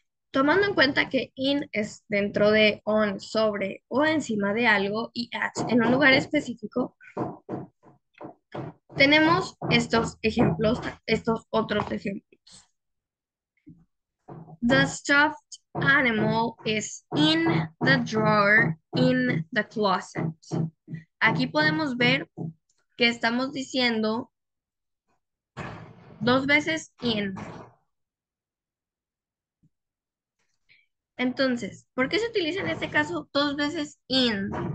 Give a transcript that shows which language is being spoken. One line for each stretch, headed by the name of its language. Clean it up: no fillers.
Spanish: Tomando en cuenta que in es dentro de on, sobre o encima de algo y at en un lugar específico, tenemos estos ejemplos, estos otros ejemplos.
English: Stuffed animal is in the drawer in the closet.
Spanish: Aquí podemos ver que estamos diciendo dos veces in. Entonces, ¿por qué se utiliza en este caso dos veces in?